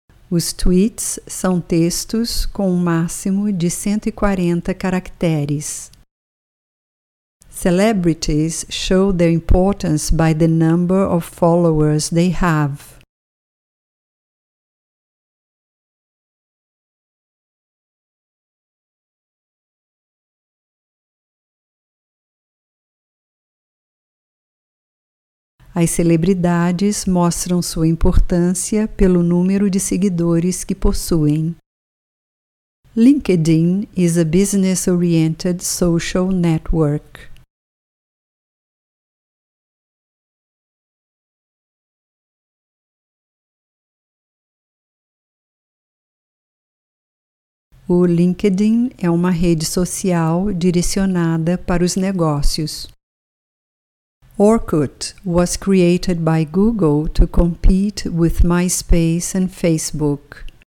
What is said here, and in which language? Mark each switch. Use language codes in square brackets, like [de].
[pt] Os tweets são textos com um máximo de 140 caracteres. [en] Celebrities show their importance by the number of followers they have. [pt] As celebridades mostram sua importância pelo número de seguidores que possuem. [en] LinkedIn is a business-oriented social network. [pt] O LinkedIn é uma rede social direcionada para os negócios. [en] Orkut was created by Google to compete with MySpace and Facebook.